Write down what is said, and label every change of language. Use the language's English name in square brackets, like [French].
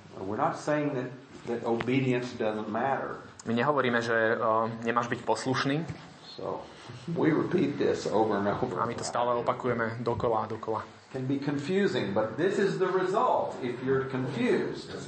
[English] We're not saying that obedience doesn't matter. [Slovak] My nehovoríme, že nemáš byť poslušný. [English] So we repeat this over and over. [Slovak] A my to stále opakujeme dokola. [English] can be confusing, but this is the result if you're confused.